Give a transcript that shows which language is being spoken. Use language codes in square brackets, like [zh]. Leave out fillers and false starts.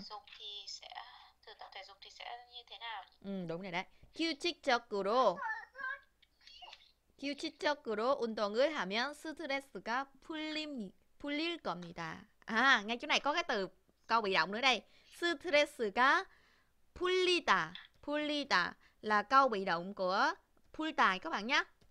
[vi] dục thì sẽ thử tập thể dục thì sẽ như thế nào nhỉ? Ừ, đúng rồi đấy. [ko] 규칙적으로 운동을 하면 스트레스가 풀릴 겁니다. [vi] 아, ngay chỗ này có cái từ câu bị động nữa đây. [ko] 스트레스가 풀리다. [vi] 풀리다 là câu bị động của phúc tài các bạn nhé.